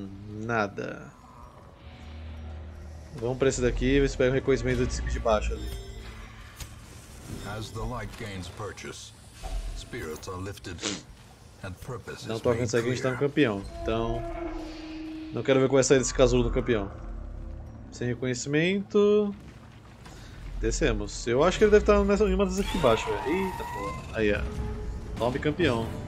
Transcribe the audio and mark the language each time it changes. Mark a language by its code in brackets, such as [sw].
[pt] Nada. Vamos pra esse daqui e ver se pega um reconhecimento de baixo ali. [en] As the light gains purchase, spirits are lifted and purpose. [pt] Não tô a pensar que a gente tá no campeão. Então. Não quero ver como é sair desse casulo do campeão. Sem reconhecimento. Descemos. Eu acho que ele deve estar nessa uma das aqui embaixo, velho. Eita porra. Aí, ó. Tome campeão.